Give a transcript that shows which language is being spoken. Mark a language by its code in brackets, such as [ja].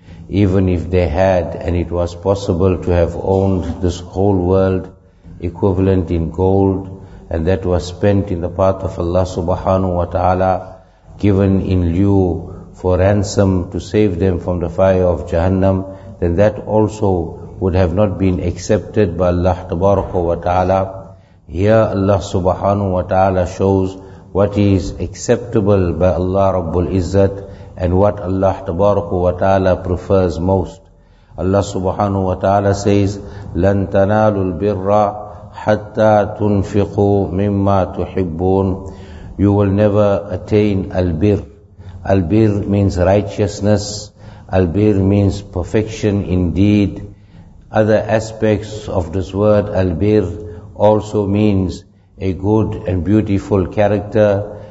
[en] even if they had and it was possible to have owned this whole world equivalent in gold, and that was spent in the path of Allah subhanahu wa ta'ala, given in lieu for ransom to save them from the fire of Jahannam, then that also would have not been accepted by Allah tabaraka wa ta'ala. Here Allah subhanahu wa ta'ala shows what is acceptable by Allah Rabbul Izzat and what Allah Tabaraka wa Ta'ala prefers most. Allah Subhanahu wa Ta'ala says, [ar] لَن تَنَالُوا الْبِرَّ حَتَّى تُنْفِقُوا مِمَّا تُحِبُّونَ. [en] You will never attain al-bir. Al-bir means righteousness. Al-bir means perfection indeed. Other aspects of this word, al-bir, also means a good and beautiful character.